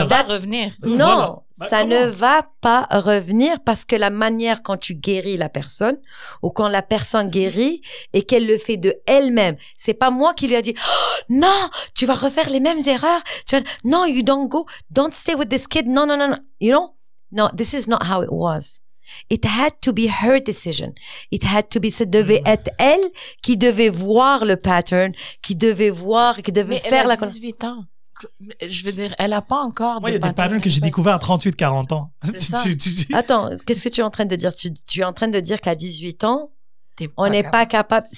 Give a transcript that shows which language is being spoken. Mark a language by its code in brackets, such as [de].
[fr] Ça va revenir. Non, voilà. Ça ne va pas revenir parce que la manière quand tu guéris la personne ou quand la personne guérit et qu'elle le fait de elle-même, c'est pas moi qui lui a dit oh, « Non, tu vas refaire les mêmes erreurs. [en] Non, you don't go. Don't stay with this kid. Non, non, non, non. You know? No, this is not how it was. » It had to be her decision. [fr] It had to be, ça devait être elle qui devait voir le pattern, qui devait voir, qui devait mais faire la... Mais elle a 18 ans. Je veux dire, elle n'a pas encore... Moi, il y a des patterns que j'ai découverts à 38, 40 ans. Attends, qu'est-ce que tu es en train de dire? Tu es en train de dire qu'à 18 ans, on n'est pas capable...